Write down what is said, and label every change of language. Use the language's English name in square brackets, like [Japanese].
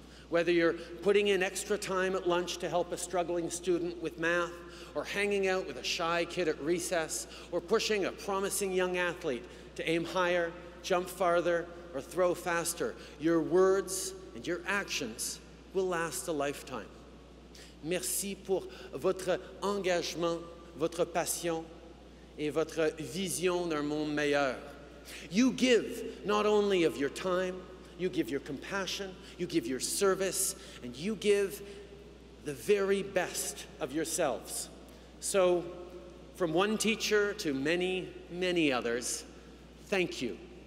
[English] Whether you're putting in extra time at lunch to help a struggling student with math, or hanging out with a shy kid at recess, or pushing a promising young athlete to aim higher, jump farther, or throw faster, your words and your actions will last a lifetime. [French] Merci pour votre engagement, votre passion, et votre vision d'un monde meilleur. [English] You give not only of your time, you give your compassion, you give your service, and you give the very best of yourselves. So, from one teacher to many, many others, thank you.